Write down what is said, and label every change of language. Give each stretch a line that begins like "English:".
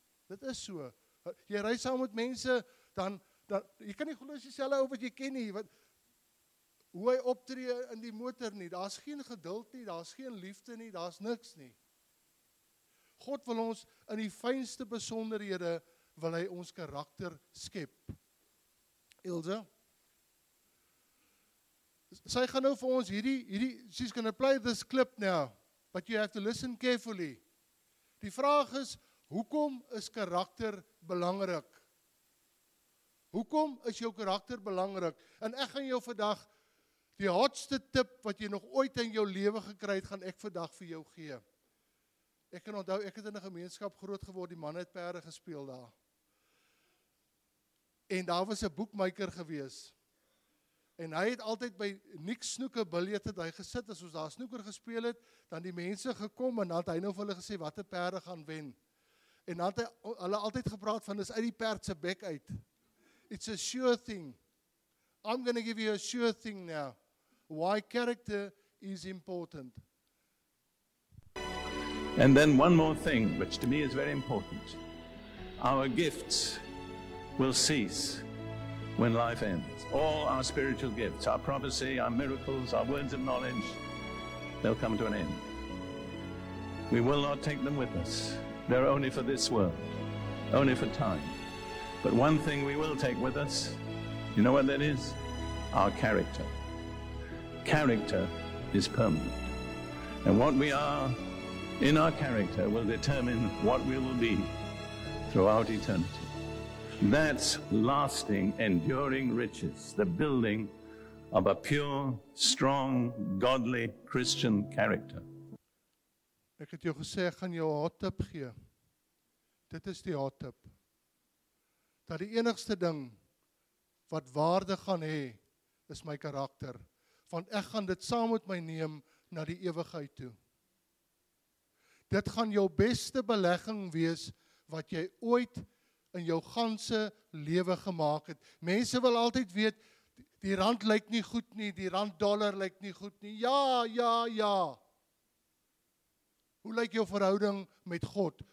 Afrikaans: Dit is so. Jy ry saam met mense, dan jy kan nie glo as jy selfe ou wat jy ken nie, wat hoe hy optree in die motor nie, daar's geen geduld nie, daar's geen liefde nie, daar's niks nie. God wil ons in die fynste besonderhede, wil hy ons karakter skep. Ilse, sy gaan nou vir ons hierdie,
English: she's going to play this clip now, but you have to listen carefully.
Afrikaans: Die vraag is, hoekom is karakter belangrik? Hoekom is jou karakter belangrik? En ek gaan jou vandag, die hardste tip wat jy nog ooit in jou lewe gekry het, gaan ek vandag vir jou gee. Ek kan onthou, ek het in 'n gemeenskap groot geword, die man het perde gespeel daar. En daar was 'n boekmaker gewees. En hy het altyd by Nick Snoeker biljette het hy gesit, as ons daar snoeker gespeel het, dan die mense gekom en had hy nou vir hulle gesê, wat die perde gaan wen. En had hy hulle altyd gepraat van, dis uit die perd se bek uit.
English: It's a sure thing. I'm going to give you a sure thing now. Why character is important. And then one more thing, which to me is very important. Our gifts will cease when life ends. All our spiritual gifts, our prophecy, our miracles, our words of knowledge, they'll come to an end. We will not take them with us. They're only for this world, only for time. But one thing we will take with us, you know what that is? Our character. Character is permanent. And what we are in our character will determine what we will be throughout eternity. That's lasting, enduring riches, the building of a pure, strong, godly Christian character.
Afrikaans: Ek het jou gesê, ek gaan jou 'n hot tip gee. Dit is die hot tip. Dat die enigste ding wat waarde gaan hê, is my karakter. Want ek gaan dit saam met my neem na die ewigheid toe. Dit gaan jou beste belegging wees wat jy ooit in jou ganse lewe gemaak het. Mense wil altyd weet, die rand lyk nie goed nie, die rand dollar lyk nie goed nie. Ja, ja, ja. Hoe lyk jou verhouding met God?